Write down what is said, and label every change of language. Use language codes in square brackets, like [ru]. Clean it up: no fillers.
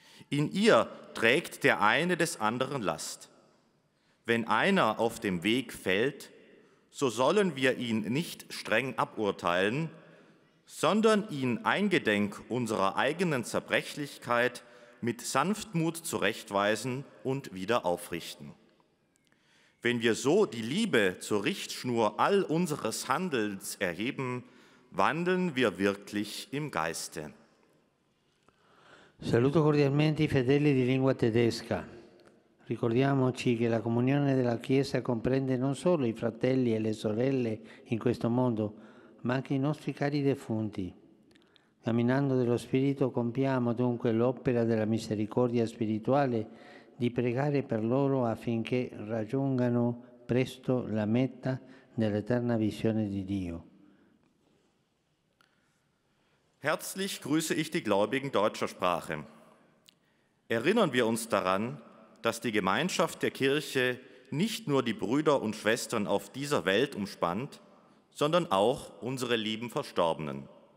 [de] In ihr trägt der eine des anderen Last. Wenn einer auf dem Weg fällt, so sollen wir ihn nicht streng aburteilen, sondern ihn eingedenk unserer eigenen Zerbrechlichkeit mit Sanftmut zurechtweisen und wieder aufrichten. Wenn wir so die Liebe zur Richtschnur all unseres Handelns erheben, wandeln wir wirklich im Geiste. [it] Saluto cordialmente i fedeli di lingua tedesca. Ricordiamoci che la comunione della Chiesa comprende non solo i fratelli e le sorelle in questo mondo, ma anche i nostri cari defunti. Camminando dello Spirito compiamo dunque l'opera della misericordia spirituale di pregare per loro affinché raggiungano presto la meta dell'eterna visione di Dio. [de] Herzlich grüße ich die Gläubigen deutscher Sprache. Erinnern wir uns daran, dass die Gemeinschaft der Kirche nicht nur die Brüder und Schwestern auf dieser Welt umspannt, sondern auch unsere lieben Verstorbenen.